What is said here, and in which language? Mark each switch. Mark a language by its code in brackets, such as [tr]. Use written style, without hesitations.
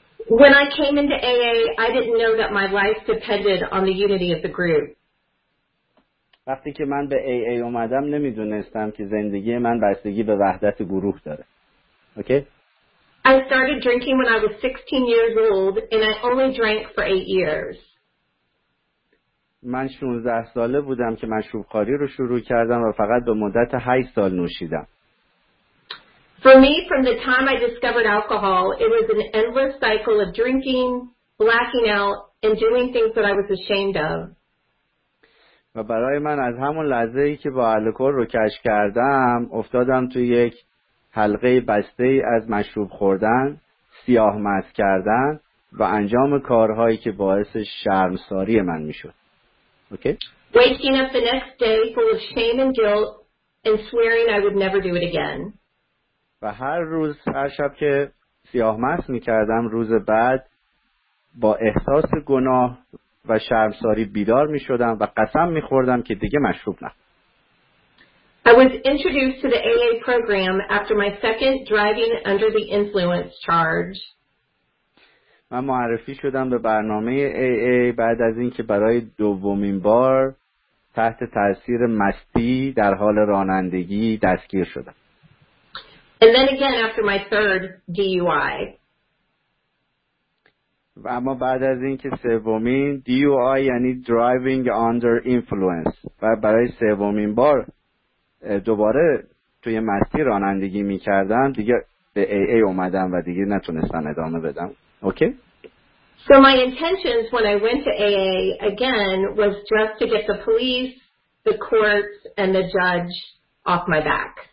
[en] When I came into AA, I didn't know that my life depended on the unity of the group. [fa] وقتی که من به AA اومدم نمیدونستم که زندگی من بستگی به وحدت گروه داره. [en] Okay? I started drinking when I was 16 years old and I only drank for 8 years. [fa] من 16 ساله بودم که مشروب خواری رو شروع کردم و فقط به مدت 8 سال نوشیدم. [en] For me, from the time I discovered alcohol, it was an endless cycle of drinking, blacking out and doing things that I was ashamed of. [fa] و برای من از همون لحظه‌ای که با الکل رو کش کردم افتادم توی یک حلقه بسته از مشروب خوردن، سیاه مست کردن و انجام کارهایی که باعث شرمساری من می‌شد. اوکی؟ [en] Waking up the next day full of shame and guilt and swearing I would never do it again. [fa] و هر روز هر شب که سیاه مست می‌کردم روز بعد با احساس گناه و شرمساری بیدار می شدم و قسم می خوردم که دیگه مشروب نه. [en] I was introduced to the AA program after my second driving under the influence charge. [fa] من معرفی شدم به برنامه AA بعد از اینکه برای دومین بار تحت تأثیر مستی در حال رانندگی دستگیر شدم. [en] And then again after my third DUI. [fa] و اما بعد از اینکه سومین DUI یعنی [en] driving under influence [fa] و برای سومین بار دوباره توی مسیر رانندگی می‌کردم دیگه به AA اومدم و دیگه نتونستم ادامه بدم. اوکی؟ [en] So my intentions when I went to AA again was just to get the police, the courts and the judge off my back.